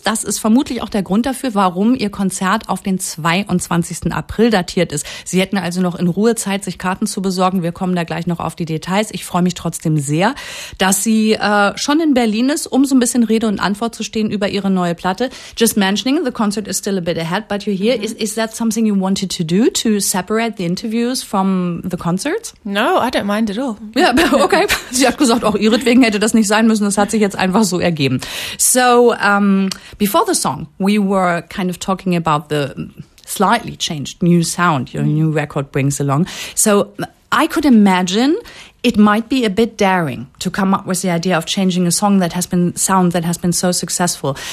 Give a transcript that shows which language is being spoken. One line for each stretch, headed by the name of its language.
German: Das ist vermutlich auch der Grund dafür, warum ihr Konzert auf den 22. April datiert ist. Sie hätten also noch in Ruhe Zeit, sich Karten zu besorgen. Wir kommen da gleich noch auf die Details. Ich freue mich trotzdem sehr, dass sie schon in Berlin ist, um so ein bisschen Rede und Antwort zu stehen über ihre neue Platte.
English: Just mentioning, the concert is still a bit ahead, but you're here. Is that something you wanted to do, to separate the interviews from the concerts? No, I don't mind at all.
German: Ja, okay. Sie hat gesagt, auch ihretwegen hätte das nicht sein müssen. Das hat sich jetzt einfach so ergeben.
English: So, before the song, we were kind of talking about the slightly changed new sound your new record brings along. So, I could imagine it might be a bit daring to come up with the idea of changing a song that has been sound that has been so successful.